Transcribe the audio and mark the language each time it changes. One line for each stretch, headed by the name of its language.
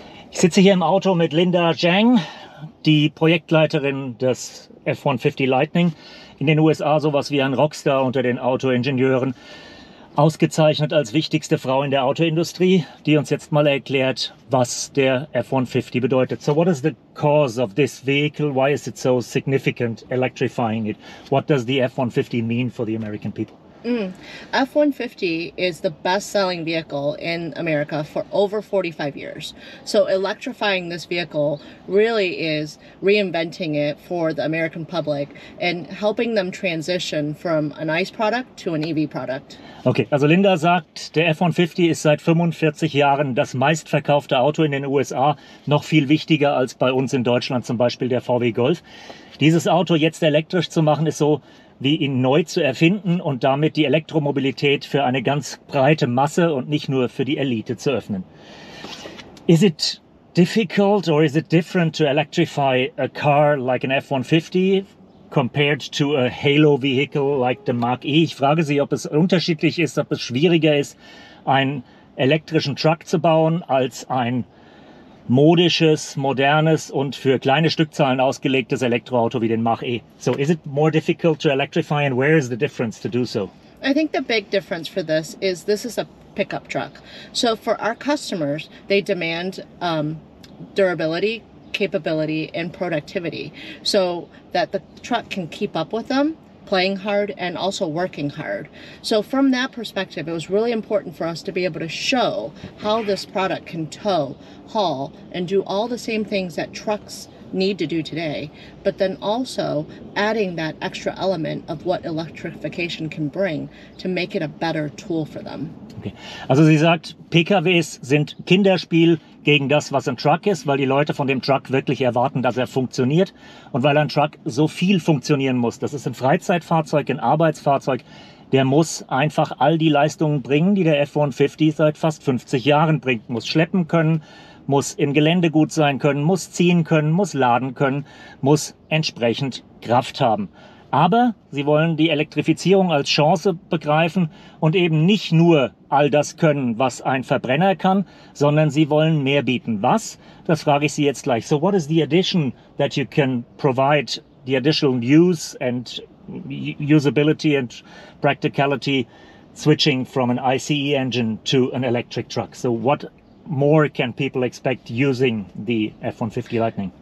German: Ich sitze hier im Auto mit Linda Zhang, die Projektleiterin des F-150 Lightning. In den USA sowas wie ein Rockstar unter den Autoingenieuren. Ausgezeichnet als wichtigste Frau in der Autoindustrie, die uns jetzt mal erklärt, was der F-150 bedeutet.
English: So what is the cause of this vehicle? Why is it so significant electrifying it? What does the F-150 mean for the American people? F-150 is the best-selling vehicle in America for over 45 years. So electrifying this vehicle really is reinventing it for the American public and helping them transition from an ICE product to an EV product.
German: Okay, also Linda sagt, der F-150 ist seit 45 Jahren das meistverkaufte Auto in den USA, noch viel wichtiger als bei uns in Deutschland, zum Beispiel der VW Golf. Dieses Auto jetzt elektrisch zu machen, ist so wie ihn neu zu erfinden und damit die Elektromobilität für eine ganz breite Masse und nicht nur für die Elite zu öffnen.
English: Is it difficult or is it different to electrify a car like an F-150 compared to a halo vehicle like the Mach-E?
German: Ich frage sie, ob es unterschiedlich ist, ob es schwieriger ist, einen elektrischen Truck zu bauen als ein modisches, modernes und für kleine Stückzahlen ausgelegtes Elektroauto wie den Mach-E.
English: So is it more difficult to electrify and where is the difference to do so? I think the big difference for this is a pickup truck. So for our customers, they demand durability, capability and productivity so that the truck can keep up with them, playing hard and also working hard. So from that perspective, it was really important for us to be able to show how this product can tow, haul, and do all the same things that trucks need to do today, but then also adding that extra element of what electrification can bring to make it a better tool for them. Okay.
German: Also sie sagt, PKWs sind Kinderspiel gegen das, was ein Truck ist, weil die Leute von dem Truck wirklich erwarten, dass er funktioniert und weil ein Truck so viel funktionieren muss. Das ist ein Freizeitfahrzeug, ein Arbeitsfahrzeug, der muss einfach all die Leistungen bringen, die der F-150 seit fast 50 Jahren bringt. Muss schleppen können, muss im Gelände gut sein können, muss ziehen können, muss laden können, muss entsprechend Kraft haben. Aber sie wollen die Elektrifizierung als Chance begreifen und eben nicht nur all das können, was ein Verbrenner kann, sondern sie wollen mehr bieten. Was? Das frage ich Sie jetzt gleich.
English: So what is the addition that you can provide, the additional use and usability and practicality switching from an ICE engine to an electric truck? So what more can people expect using the F-150 Lightning?